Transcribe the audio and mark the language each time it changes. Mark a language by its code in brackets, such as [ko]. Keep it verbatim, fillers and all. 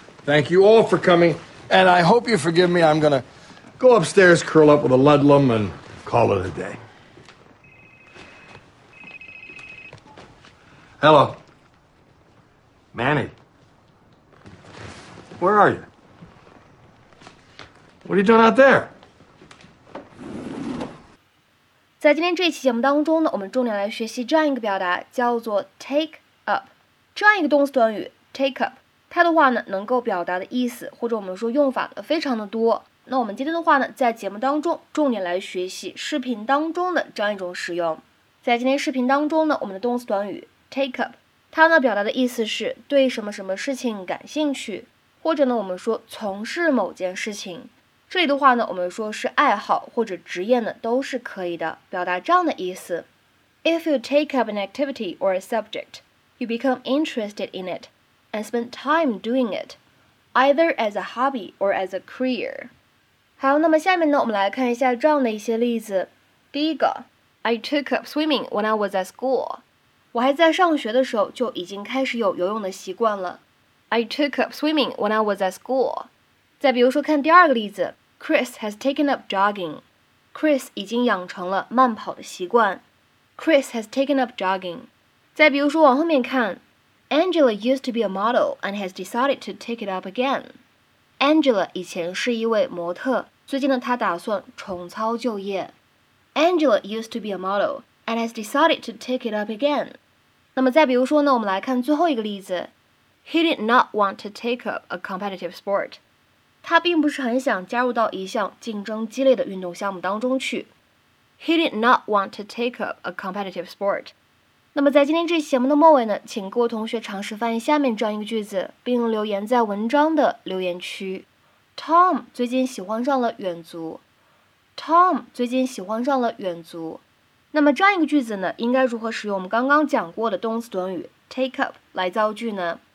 [en] Thank you all for coming. And I hope you forgive me. I'm going to go upstairs, curl up with a Ludlum, and call it a day. Hello. Manny. Where are you? What are you doing out there? [zh] 在今天这一期节目当中呢，我们重点来学习这样一个表达，叫做 take up。这样一个动词短语 take up， 它的话呢，能够表达的意思或者我们说用法呢，非常的多。那我们今天的话呢，在节目当中重点来学习视频当中的这样一种使用。在今天视频当中呢，我们的动词短语 take up， 它呢表达的意思是对什么什么事情感兴趣，或者呢我们说从事某件事情。这里的话呢，我们说是爱好或者职业呢，都是可以的，表达这样的意思。 [en] If you take up an activity or a subject, you become interested in it and spend time doing it, either as a hobby or as a career. [zh] 好，那么下面呢，我们来看一下这样的一些例子。第一个 [en] ，I took up swimming when I was at school. [zh] 我还在上学的时候就已经开始有游泳的习惯了。 [en] I took up swimming when I was at school. [zh] 再比如说，看第二个例子。 [en] Chris has taken up jogging. [zh] Chris 已经养成了慢跑的习惯。 [en] Chris has taken up jogging. [zh] 再比如说往后面看 [en] ，Angela used to be a model and has decided to take it up again. [zh] Angela 以前是一位模特，最近呢她打算重操旧业。 [en] Angela used to be a model and has decided to take it up again. [zh] 那么再比如说呢，我们来看最后一个例子 ， [en] He did not want to take up a competitive sport. [zh] 他并不是很想加入到一项竞争激烈的运动项目当中去。 [en] He did not want to take up a competitive sport. [zh] 那么在今天这期节目的末尾呢，请各位同学尝试翻译下面这样一个句子，并留言在文章的留言区。 Tom 最近喜欢上了远足。Tom 最近喜欢上了远足。那么这样一个句子呢，应该如何使用我们刚刚讲过的动词短语 take up 来造句呢？